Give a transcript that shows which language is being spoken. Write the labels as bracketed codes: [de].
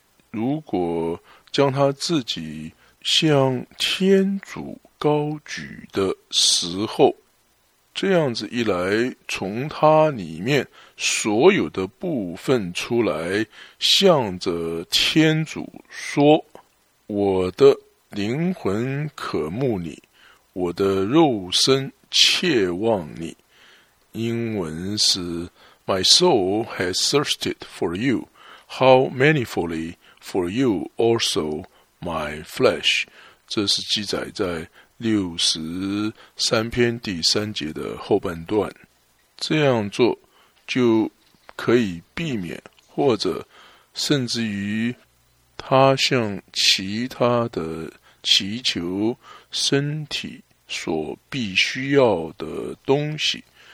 [zh] 如果将他自己向天主高举的时候，这样子一来，从他里面所有的部分出来，向着天主说，我的灵魂渴慕你，我的肉身切望你。 [en] 英文是 My soul has thirsted for you, how manifoldly for you also my flesh。 [zh] 这是记载在63篇第三节的后半段。这样做就可以避免或者甚至于他向其他的祈求身体所必须要的东西，